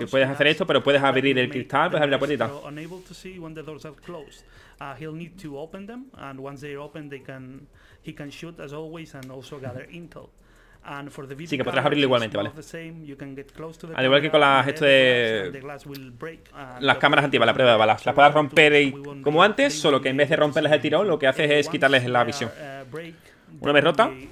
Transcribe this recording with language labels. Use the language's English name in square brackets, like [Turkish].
[Spanish] que puedes hacer esto, pero puedes abrir el cristal, puedes abrir la puertita. [English] Unable to see when the doors are closed. He'll need to open them, and once they're open, he can shoot as always and also gather intel. And for the video, [Spanish] sí, que podrás abrirlo igualmente, ¿vale? Al igual que con las esto de las cámaras antibalas, la prueba de balas. Las puedes romper y, como antes, solo que en vez de romperlas de tirón, lo que haces es quitarles la visión. Una vez rota,